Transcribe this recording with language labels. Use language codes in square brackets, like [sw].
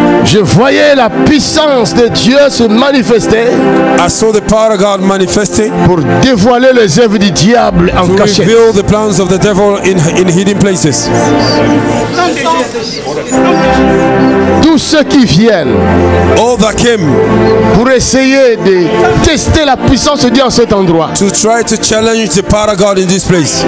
[fr] je voyais la puissance de Dieu se manifester. [en] I saw the power of God manifesting, [fr] pour dévoiler les œuvres du diable en cachette. [en] To reveal the plans of the devil in hidden places. [fr] Tous ceux qui viennent, [en] all that came, [fr] pour essayer de tester la puissance de Dieu en cet endroit, [en] to try to challenge the power of God in this place,